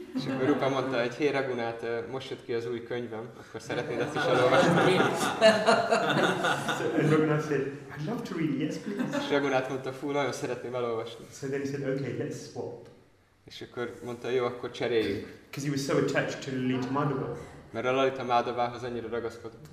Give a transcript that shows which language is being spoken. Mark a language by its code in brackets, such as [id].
[hu] És akkor Rupa mondta, hogy hé Raghunath, most jött ki az új könyvem, akkor szeretnéd ezt is elolvasni. [en] And Raghunath said, I'd love to read, yes please. [hu] És Raghunath mondta, fú, nagyon szeretném elolvasni. [en] So then he said, okay, let's swap. [hu] És akkor mondta, jó, akkor cseréljük. [en] Because he was so attached to Lalita Madhava. [hu] Mert a Lalita Madhavához annyira ragaszkodott.